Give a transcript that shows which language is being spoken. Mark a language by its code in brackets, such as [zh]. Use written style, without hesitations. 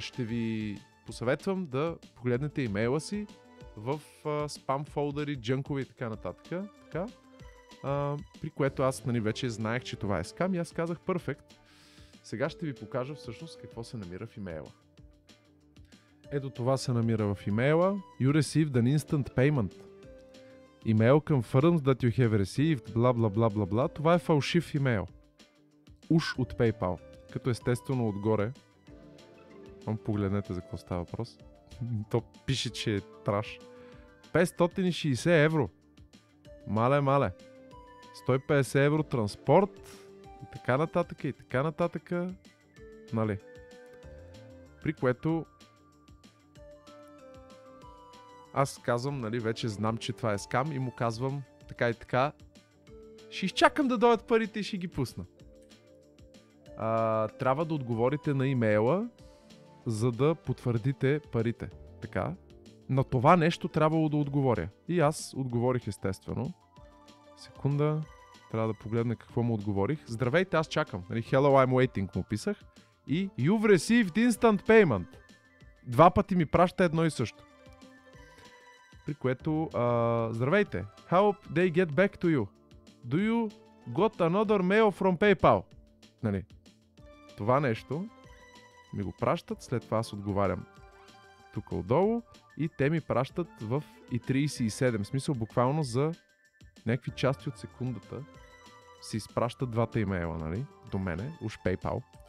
[bg] Ще ви посъветвам да погледнете имейла си в спам фолдъри, джънкове и така нататък. Така, при което аз, нали, вече знаех, че това е скам, и аз казах перфект. Сега ще ви покажа всъщност какво се намира в имейла. Ето това се намира в имейла. [en] You received an instant payment. Email confirms that you have received [bg] бла бла бла бла бла. Това е фалшив имейл. Уж от PayPal. Като естествено отгоре. Погледнете за какво става въпрос. То пише, че е траш. 560 евро. Мале, мале. 150 евро транспорт. И така нататък, и така нататък. Нали? При което... Аз казвам, нали, вече знам, че това е скам. И му казвам така и така. Ще изчакам да дойдат парите и ще ги пусна. Трябва да отговорите на имейла, за да потвърдите парите. Така. На това нещо трябвало да отговоря. И аз отговорих, естествено. Секунда. Трябва да погледна какво му отговорих. Здравейте, аз чакам. [en] Hello, I'm waiting, [bg] му писах. И [en] you've received instant payment. [bg] Два пъти ми праща едно и също. При което... Здравейте. [en] Help they get back to you. Do you got another mail from PayPal? [bg] Нали. Това нещо... ми го пращат, след това аз отговарям тук отдолу и те ми пращат в I37, в смисъл буквално за някакви части от секундата се изпращат двата имейла, нали, до мене, уж PayPal.